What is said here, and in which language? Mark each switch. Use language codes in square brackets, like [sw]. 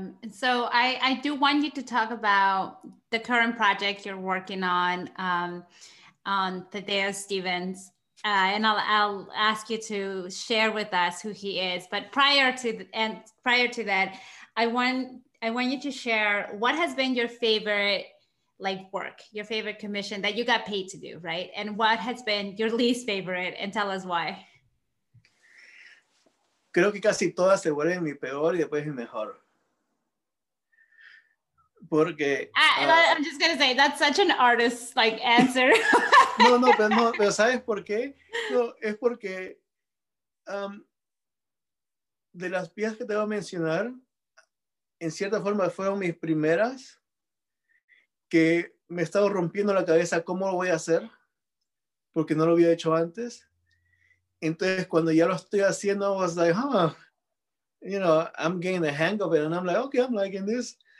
[en] So I do want you to talk about the current project you're working on Thaddeus Stevens, and I'll ask you to share with us who he is. But prior to that, I want you to share what has been your favorite work, your favorite commission that you got paid to do, right? And what has been your least favorite, and tell us why. [es] Creo que casi todas se vuelven mi peor y después mi mejor. Porque, [en] I'm just going to say, that's such an artist answer. [es] No, pero ¿sabes por qué? No, es porque de las piezas que te voy a mencionar, en cierta forma fueron mis primeras que me he estado rompiendo la cabeza cómo lo voy a hacer porque no lo había hecho antes. Entonces, cuando ya lo estoy haciendo, [en] I was like, huh, you know, I'm getting the hang of it. And I'm like, okay, I'm liking this.